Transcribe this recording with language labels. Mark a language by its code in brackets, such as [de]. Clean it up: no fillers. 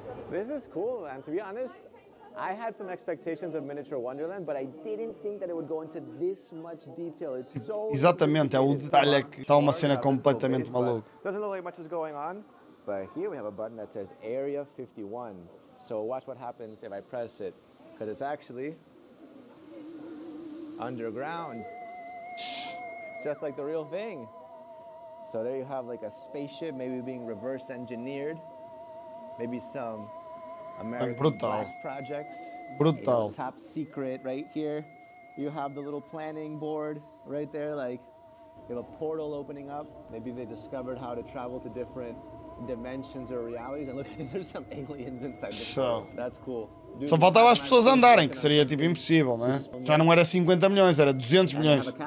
[en] This is cool, and to be honest, I had some expectations of Miniature Wonderland, but I didn't think that it would go into this much detail. It's so [pt] exatamente, é o detalhe que está uma cena completamente maluca. [en] Doesn't look like much is going on, but here we have a button that says Area 51. So watch what happens if I press it, because it's actually underground, just like the real thing. So there you have like a spaceship maybe being reverse engineered, maybe some American Blast projects. Brutal. Top secret right here. You have the little planning board right there, like you have a portal opening up. Maybe they discovered how to travel to different dimensions or realities. And look, there's some aliens inside the show. That's cool. [pt] Só faltava as pessoas andarem, que seria tipo impossível, né? Já não era 50 milhões, era 200 milhões.